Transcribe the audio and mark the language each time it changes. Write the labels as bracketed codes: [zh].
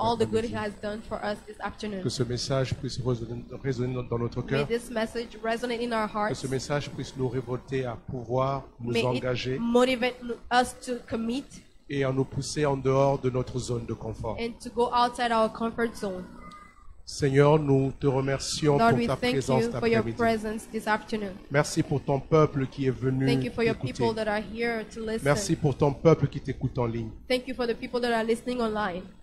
[en] All the good he has done for us this afternoon. [fr] Que ce message puisse résonner dans notre cœur. [en] May this message resonate in our hearts. [fr] Que ce message puisse nous révolter à pouvoir nous engager. [en] May it motivate us to commit. [fr] Et à nous pousser en dehors de notre zone de confort. [en] And to go outside our comfort zone. [fr] Seigneur, nous te remercions [en] Lord, [fr] pour ta [en] thank [fr] présence [en] you for your presence this afternoon. [fr] Merci pour ton peuple qui est venu [en] thank you for your [fr] écouter. [en] People that are here to listen. [fr] Merci pour ton peuple qui t'écoute en ligne. [en] Thank you for the people that are listening online.